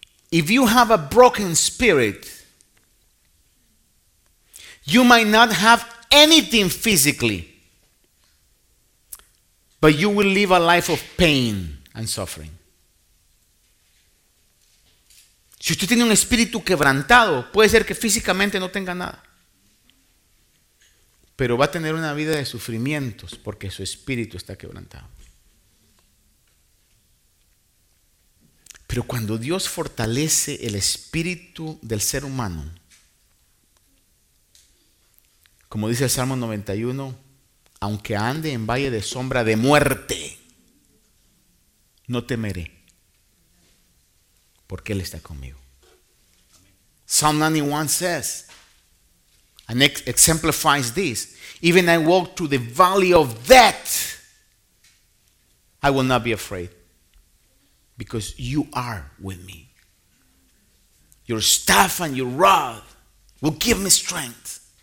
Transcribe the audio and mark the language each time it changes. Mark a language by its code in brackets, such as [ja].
[en] If you have a broken spirit, you might not have anything physically, but you will live a life of pain and suffering. [es] Si usted tiene un espíritu quebrantado, puede ser que físicamente no tenga nada, pero va a tener una vida de sufrimientos porque su espíritu está quebrantado. Pero cuando Dios fortalece el espíritu del ser humano, como dice el Salmo 91, aunque ande en valle de sombra de muerte, no temeré, porque Él está conmigo. [en] Psalm 91 says, and exemplifies this, even I walk through the valley of death, I will not be afraid. Because you are with me. Your staff and your rod will give me strength.